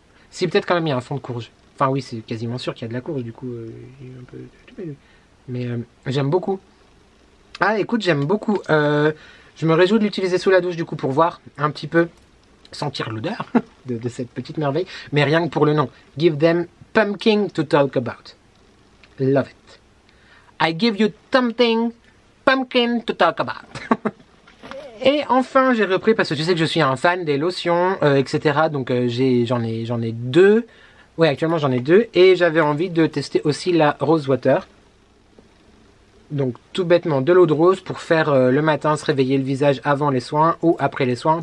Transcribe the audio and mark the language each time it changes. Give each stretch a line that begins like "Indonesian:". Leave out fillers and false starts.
French: Si, peut-être quand même, il y a un fond de courge. Enfin oui, c'est quasiment sûr qu'il y a de la courge du coup. Un peu... Mais j'aime beaucoup. Ah écoute, j'aime beaucoup. Je me réjouis de l'utiliser sous la douche du coup pour voir un petit peu, sentir l'odeur de cette petite merveille. Mais rien que pour le nom.
English: Give them pumpkin to talk about. Love it. I give you something pumpkin to talk about.
French: Et enfin, j'ai repris, parce que tu sais que je suis un fan des lotions, etc. Donc, j'en ai deux. Oui, actuellement, j'en ai deux. Et j'avais envie de tester aussi la rose water. Donc, tout bêtement, de l'eau de rose pour faire le matin, se réveiller le visage avant les soins ou après les soins.